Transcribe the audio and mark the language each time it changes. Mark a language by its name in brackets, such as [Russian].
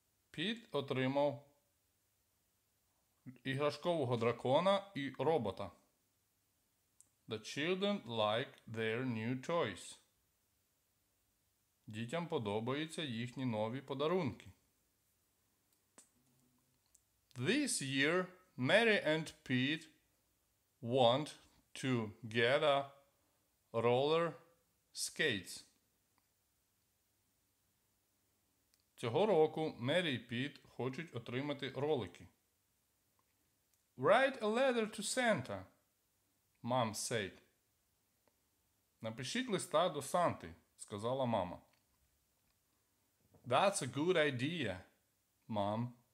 [Ukrainian] Піт отримав іграшкового дракона і робота. [English] The children like their new toys. [Ukrainian] Дітям подобаються їхні нові подарунки. [English] This year, Mary and Pete want to get a roller skates. [Ukrainian] Цього року Мері і Піт хочуть отримати ролики. [English] Write a letter to Santa, mom said. [Ukrainian] Напишіть листа до Санти, сказала мама. [English] That's a good idea, mom.